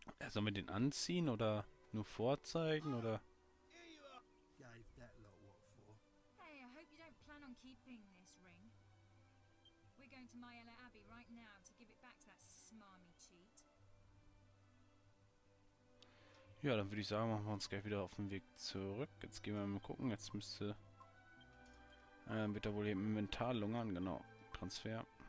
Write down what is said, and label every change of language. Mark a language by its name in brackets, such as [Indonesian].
[German] Sollen wir den anziehen oder nur vorzeigen oder? [English] Hey, I hope you don't plan on keeping this ring. We're going to Myella Abbey right now to give it back to that smarmy cheat. [German] Ja, dann würde ich sagen, machen wir uns gleich wieder auf den Weg zurück. Jetzt gehen wir mal gucken. Jetzt müsste. Wird da wohl eben Inventar lungern, genau. Transfer.